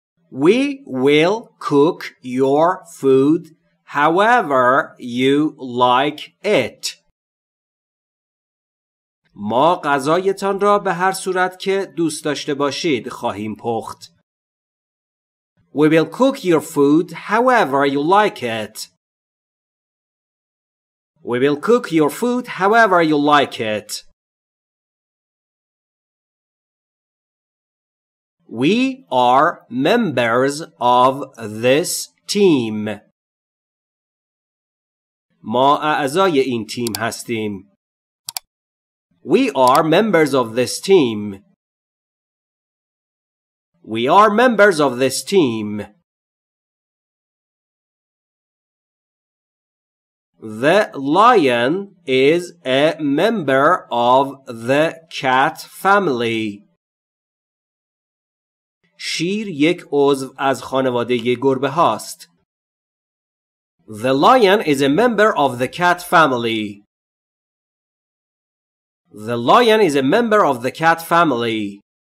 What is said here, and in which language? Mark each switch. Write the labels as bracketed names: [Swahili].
[English] We will cook your food however you like it. [Persian] ما غذایتان را به هر صورت که دوست داشته باشید خواهیم پخت. [English] We will cook your food however you like it. We will cook your food however you like it. We are members of this team. [Persian] ما اعضای این تیم هستیم. [English] We are members of this team. We are members of this team. The lion is a member of the cat family. [Persian] شیر یک عضو از خانواده گربه هاست. [English] The lion is a member of the cat family. The lion is a member of the cat family.